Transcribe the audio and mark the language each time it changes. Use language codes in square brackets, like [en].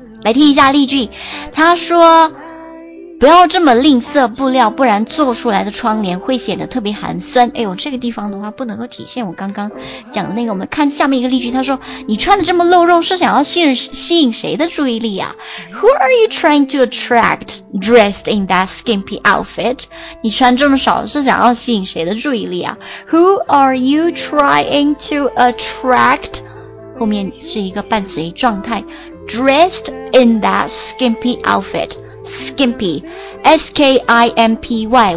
[zh] 来听一下例句，他说不要这么吝啬布料，不然做出来的窗帘会显得特别寒酸。哎呦，这个地方的话不能够体现我刚刚讲的那个。我们看下面一个例句，他说你穿的这么露肉是想要吸引谁的注意力啊？ [en] Who are you trying to attract dressed in that skimpy outfit? [zh] 你穿这么少是想要吸引谁的注意力啊？ [en] Who are you trying to attract? [zh] 后面是一个伴随状态， [en] dressed in that skimpy outfitSkimpy, [zh] S-K-I-M-P-Y.